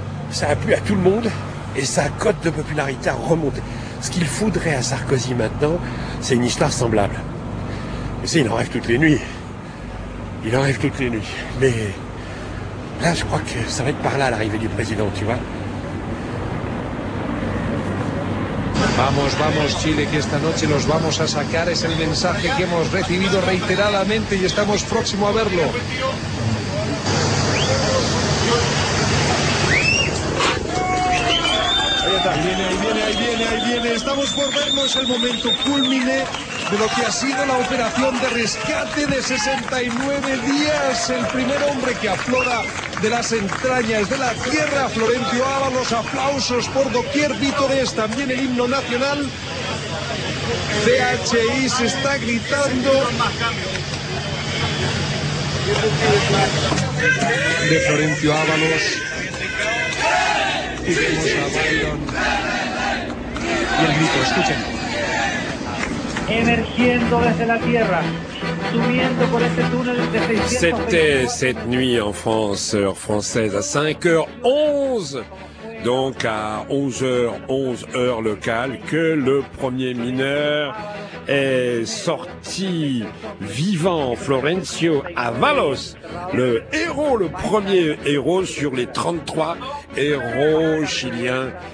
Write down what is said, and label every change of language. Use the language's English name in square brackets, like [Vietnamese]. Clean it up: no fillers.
[French] Ça a plu à tout le monde et sa cote de popularité a remonté. Ce qu'il faudrait à Sarkozy maintenant, c'est une histoire semblable. Mais c'est, il en rêve toutes les nuits. Il en rêve toutes les nuits. Mais là, je crois que ça va être par là, l'arrivée du président, tu vois. [Spanish] Vamos, vamos, Chile, que esta noche los vamos a sacar. Es el mensaje que hemos recibido reiteradamente y estamos próximos a verlo. Ahí viene. Estamos por verlo. Es el momento cúlmine de lo que ha sido la operación de rescate de 69 días. El primer hombre que aflora de las entrañas de la tierra, Florencio Ábalos, aplausos por doquier, vítores, también el himno nacional. CHI se está gritando. De Florencio Ábalos. Y el grito, escuchen. Emergiendo desde la tierra, subiendo por este túnel de 600. [French] C'était cette nuit en France, heure française, à 5h11, donc à 11h11, heure locale, que le premier mineur est sorti vivant, Florencio Ábalos, le héros, le premier héros sur les 33 héros chiliens.